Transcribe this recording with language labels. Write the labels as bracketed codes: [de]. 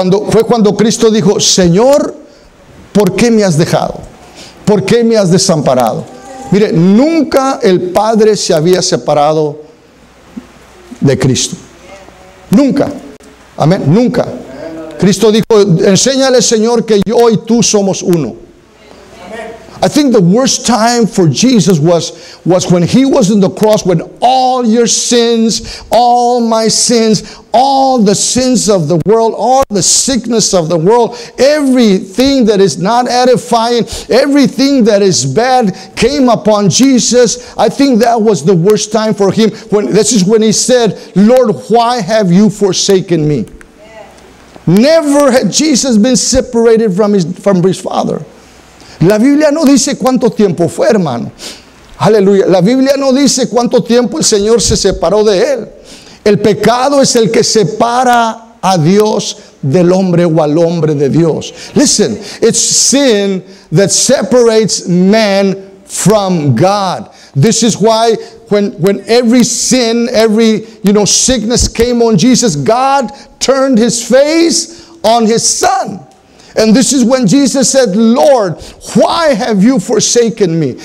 [es] Fue cuando Cristo dijo: Señor, ¿por qué me has dejado? ¿Por qué me has desamparado? Mire, nunca el Padre se había separado de Cristo. Nunca. Amén. Nunca. Cristo dijo: enséñale, Señor, que yo y tú somos uno. [en] I think the worst time for Jesus was when he was on the cross, when all your sins, all my sins, all the sins of the world, all the sickness of the world, everything that is not edifying, everything that is bad came upon Jesus. I think that was the worst time for him. This is when he said, Lord, why have you forsaken me? Never had Jesus been separated from his Father. [es] La Biblia no dice cuánto tiempo fue, hermano. Aleluya. La Biblia no dice cuánto tiempo el Señor se separó de él. El pecado es el que separa a Dios del hombre o al hombre de Dios. [en] Listen, it's sin that separates man from God. This is why when every sin, every, you know, sickness came on Jesus, God turned his face on his Son. And this is when Jesus said, Lord, why have you forsaken me?